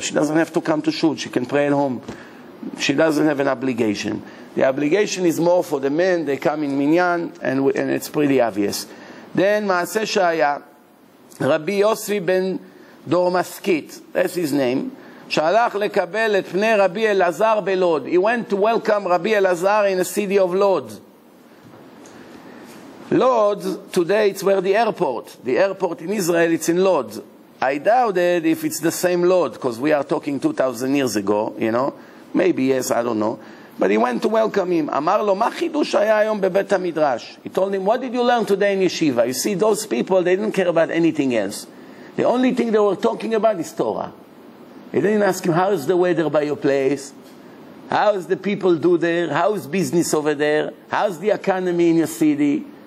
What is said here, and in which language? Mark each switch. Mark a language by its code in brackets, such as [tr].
[en] She doesn't have to come to shul. She can pray at home. She doesn't have an obligation. The obligation is more for the men. They come in minyan, and it's pretty obvious. Then, Maaseh Shaya, Rabbi Yosef ben Dormaskit, that's his name, [he] שהלך לקבל את פני רבי אלעזר בלוד. [en] He went to welcome רבי אלעזר in the city of Lod. Lod, today it's where the airport. The airport in Israel, it's in Lod. I doubted if it's the same Lod, because we are talking 2,000 years ago, you know. Maybe yes, I don't know. But he went to welcome him. [he] אמר לו, מה חידוש היה היום בבית המדרש? [en] He told him, what did you learn today in yeshiva? You see, those people, they didn't care about anything else. The only thing they were talking about is Torah. He didn't ask him, how is the weather by your place? How is the people do there? How is business over there? How is the economy in your city?